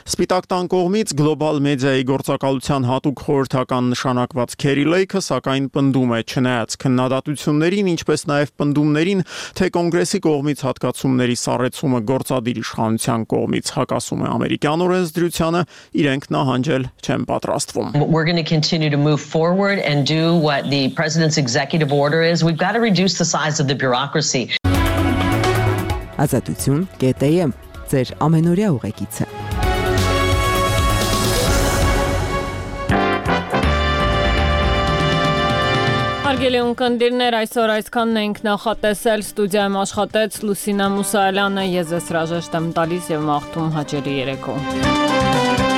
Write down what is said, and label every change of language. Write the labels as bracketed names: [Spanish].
[Armenian] Սպիտակ տան կողմից գլոբալ մեդիայի գործակալության հատուկ խորհրդական նշանակված Քերի Լեյքը, սակայն, պնդում է, չնայած քննադատություններին, ինչպես նաև պնդումներին, թե կոնգրեսի կողմից հատկացումների սառեցումը գործադիր իշխանության կողմից հակասում է ամերիկյան օրենսդրությանը, իրենք նահանջել չեն պատրաստվում։ [English] We're going to continue to move forward and do what the president's executive order is. We've got to reduce the size of the bureaucracy. [Armenian] Ազատություն.am, ձեր ամենօրյա ուղեկիցը։ Արգելյուն կնդիրներ, այսօր այսքանն ենք նախատեսել, ստուդիայում աշխատեց Լուսինա Մուսալյանը, ես հրաժեշտ եմ տալիս և մաղթում հաջորդ երեկո։